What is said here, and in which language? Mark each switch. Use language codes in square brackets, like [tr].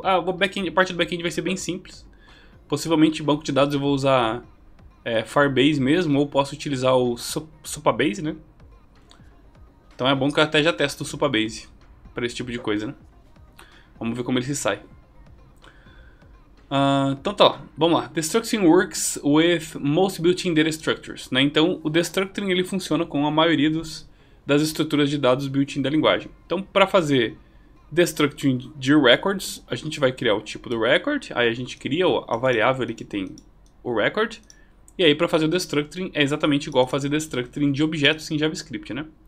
[pt] A parte do back-end vai ser bem simples. Possivelmente banco de dados eu vou usar Firebase mesmo, ou posso utilizar o Supabase, né? Então é bom que eu até já testo o Supabase para esse tipo de coisa, né? Vamos ver como ele se sai. Então tá, vamos lá. [en] Destructing works with most built-in data structures, né? [pt] Então o destructing ele funciona com a maioria das estruturas de dados built-in da linguagem. Então para fazer destructing de records, a gente vai criar o tipo do record, aí a gente cria a variável ali que tem o record. E aí, para fazer o destructuring, é exatamente igual fazer destructuring de objetos em JavaScript, né?